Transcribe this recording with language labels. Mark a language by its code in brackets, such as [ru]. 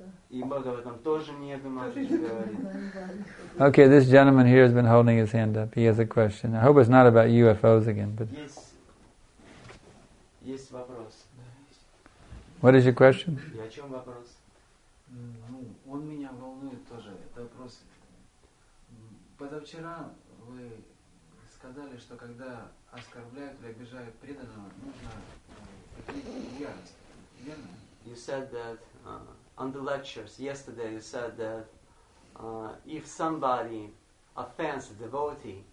[ru] И Бхагаватам тоже нет, мы можем говорить. [en] Okay, this gentleman here has been holding his hand up. He has a question. I hope it's not about UFOs again, but [ru] есть вопрос. [en] What is your question? [ru] И о чем вопрос? Ну, он меня волнует тоже. Это вопрос. Позавчера вы сказали, что когда оскорбляют или обижают преданного, нужно прийти в ярость. Верно? [en] You said that on the lectures yesterday, you said that if somebody offends a devotee,